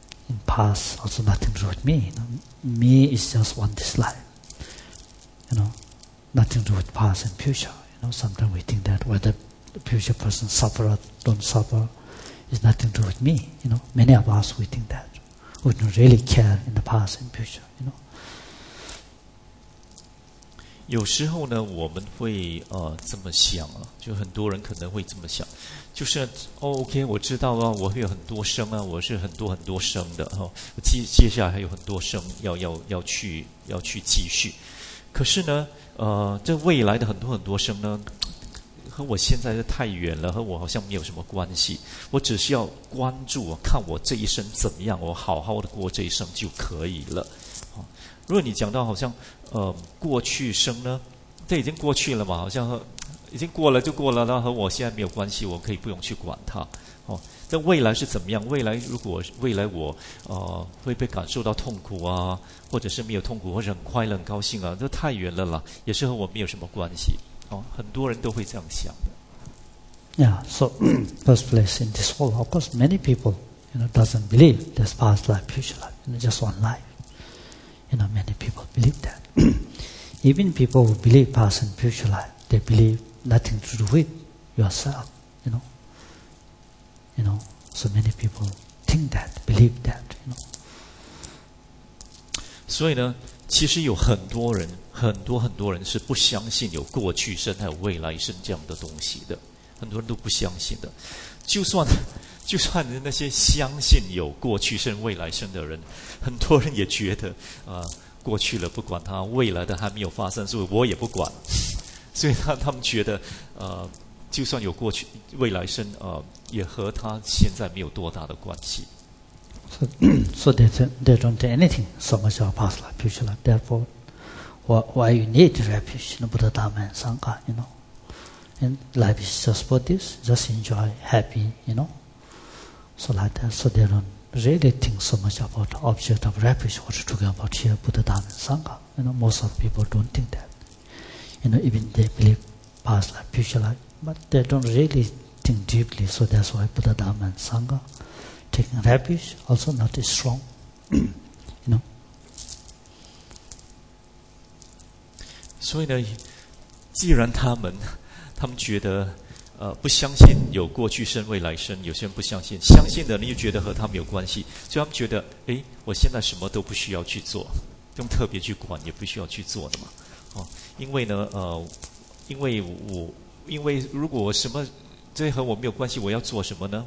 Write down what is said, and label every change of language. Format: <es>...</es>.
<en>in past also nothing to do with me. You know, me is just one this life. You know, nothing to do with past and future. You know, sometimes we think that whether the future person suffer or don't suffer is nothing to do with me. You know, many of us we think that. We don't really care in the past and future.</en> <zh>有时候呢，我们会这么想啊，就很多人可能会这么想，就是哦 ，OK， 我知道啊，我会有很多生啊，我是很多很多生的哈、哦，接下来还有很多生要去继续。可是呢，这未来的很多很多生呢，和我现在的太远了，和我好像没有什么关系。我只需要关注啊，看我这一生怎么样，我好好的过这一生就可以了。哦、如果你讲到好像。过去生呢，这已经过去了嘛，好像已经过了就过了，那和我现在没有关系，我可以不用去管它。哦，那未来是怎么样？未来如果未来我会被感受到痛苦啊，或者是没有痛苦，或者很快乐、很高兴啊，这太远了啦，也是和我没有什么关系。哦，很多人都会这样想的。</zh> <en>Yeah, so first place in this world, of course, many people, you know, doesn't believe there's past life, future life, you know, just one life. You know, many people believe that. Even people who believe past and future life, they believe nothing to do with yourself, you know. So many people think that, believe that, you know.</en> <zh>所以呢，其实有很多人，很多很多人是不相信有过去生还有未来生这样的东西的，很多人都不相信的。就算那些相信有过去生、未来生的人，很多人也觉得过去了不管它，未来的还没有发生，所以我也不管。所以他们觉得，就算有过去、未来生，也和他现在没有多大的关系。</zh> <en>So they don't do anything so much about past life, future life. Therefore, why you need refuge in Buddha, Dhamma, and Sangha, you know? And life is just for this, just enjoy, happy, you know? So like that, so they don't. Really think so much about object of refuge, what you're talking about here, Buddha, Dhamma, Sangha. You know, most of people don't think that. You know, even they believe past life, future life, but they don't really think deeply, so that's why Buddha, Dhamma, and Sangha taking refuge also not as strong. You know?</en> <zh>所以呢，既然他们觉得不相信有过去生、未来生，有些人不相信，相信的人又觉得和他们有关系，所以他们觉得，哎，我现在什么都不需要去做，不用特别去管，也不需要去做的嘛，哦，因为呢，因为如果什么这和我没有关系，我要做什么呢？</zh>